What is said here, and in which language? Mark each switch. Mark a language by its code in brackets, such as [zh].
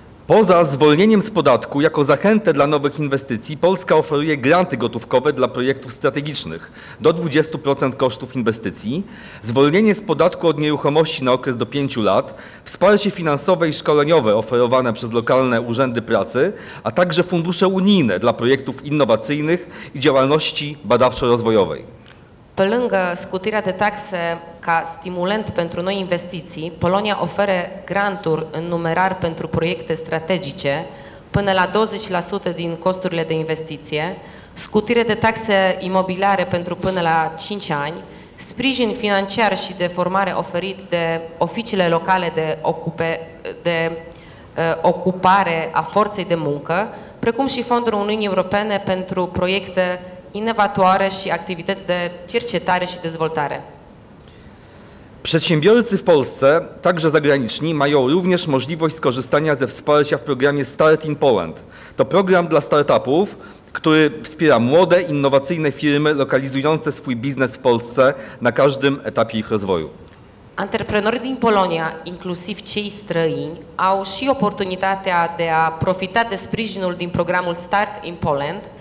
[pl] Poza zwolnieniem z podatku, jako zachętę dla nowych inwestycji, Polska oferuje granty gotówkowe dla projektów strategicznych do 20% kosztów inwestycji, zwolnienie z podatku od nieruchomości na okres do 5 lat, wsparcie finansowe i szkoleniowe oferowane przez lokalne urzędy pracy, a także fundusze unijne dla projektów innowacyjnych i działalności badawczo-rozwojowej. [ro] Pe lângă scutirea de taxe ca stimulent pentru noi investiții, Polonia oferă granturi în numerar pentru proiecte strategice până la 20% din costurile de investiție, scutire de taxe imobiliare pentru până la 5 ani, sprijin financiar și de formare oferit de oficiile locale de ocupare a forței de muncă, precum și fonduri Uniunii Europene pentru proiecte innowatoare [pl] i aktywności [ro] de cercetare i dezvoltare. [pl] Przedsiębiorcy w Polsce, także zagraniczni, mają również możliwość skorzystania ze wsparcia w programie Start in Poland. To program dla startupów, który wspiera młode, innowacyjne firmy lokalizujące swój biznes w Polsce na każdym etapie ich rozwoju. [ro] Antreprenori din Polonia, inclusiv cei străini, au și oportunitatea de a profita de sprijinul din programul Start in Poland.